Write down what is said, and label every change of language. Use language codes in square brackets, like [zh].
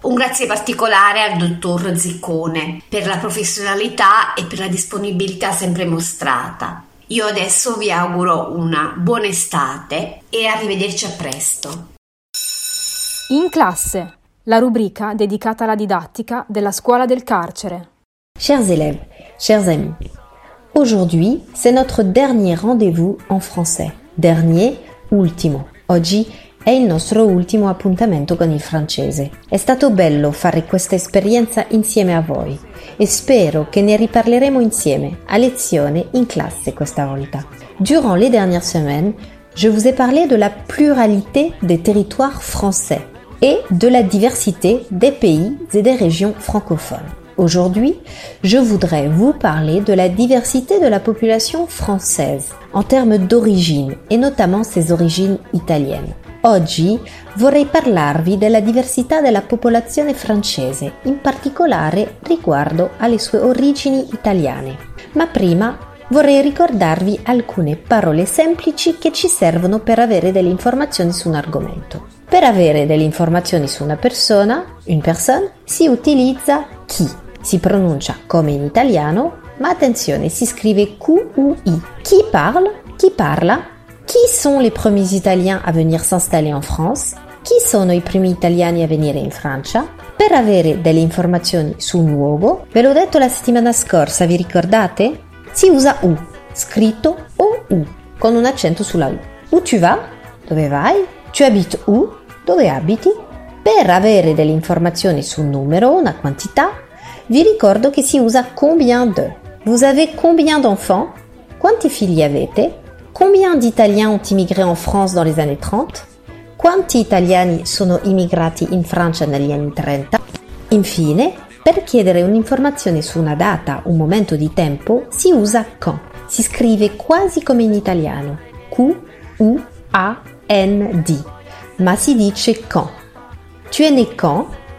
[it] Un grazie particolare al dottor Ziccone per la professionalità e per la disponibilità sempre mostrata. Io adesso vi auguro una buona estate e arrivederci a presto. In classe, la rubrica dedicata alla didattica della scuola del carcere. [fr] Chers élèves, chers amis, aujourd'hui c'est notre dernier rendez-vous en français. Dernier, ultimo. [it] Oggi è il nostro ultimo appuntamento con il francese. È stato bello fare questa esperienza insieme a voi e spero che ne riparleremo insieme, a lezione, in classe questa volta. [fr] Durant les dernières semaines, je vous ai parlé de la pluralité des territoires français et de la diversité des pays et des régions francophones. Aujourd'hui, je voudrais vous parler de la diversité de la population française en termes d'origine et notamment ses origines italiennes. [it] Oggi vorrei parlarvi della diversità della popolazione francese, in particolare riguardo alle sue origini italiane. Ma prima vorrei ricordarvi alcune parole semplici che ci servono per avere delle informazioni su un argomento. Per avere delle informazioni su una persona, si utilizza chi. Si pronuncia come in italiano, ma attenzione, si scrive Q-U-I. [fr] Chi parle? [it] Chi parla? Chi sono i primi italiani a venire [fr] s'installer in France? [it] Chi sono i primi italiani a venire in Francia? Per avere delle informazioni su un luogo, ve l'ho detto la settimana scorsa, vi ricordate? si usa U, scritto OU, con un accento sulla U. [fr] Où tu vas? [it] Dove vai? [fr] Tu habites où? [it] Dove abiti? Per avere delle informazioni su un numero, una quantità, vi ricordo che si usa combien de. [fr] Vous avez combien d'enfants? [it] Quanti figli avete? [fr] Combien d'Italiens ont immigré en France dans les années 30? [it] Quanti italiani sono immigrati in Francia negli anni 30? Infine, per chiedere un'informazione su una data, un momento di tempo, si usa quand. Si scrive quasi come in italiano. Q-U-A-N-D. Ma si dice quand. [fr] Tu es né quand?